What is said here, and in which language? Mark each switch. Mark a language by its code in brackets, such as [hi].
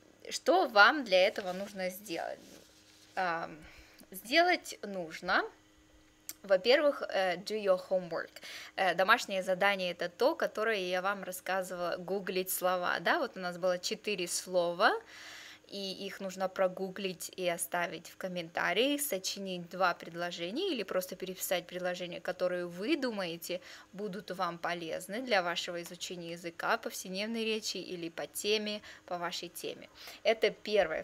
[ru] Что вам для этого нужно сделать? Сделать нужно Во-первых, [en] do your homework. [ru] Домашнее задание – это то, которое я вам рассказывала, гуглить слова. Да, вот у нас было 4 слова, и их нужно прогуглить и оставить в комментарии, сочинить 2 предложения или просто переписать предложения, которые вы думаете будут вам полезны для вашего изучения языка, повседневной речи или по теме, по вашей теме. Это первое.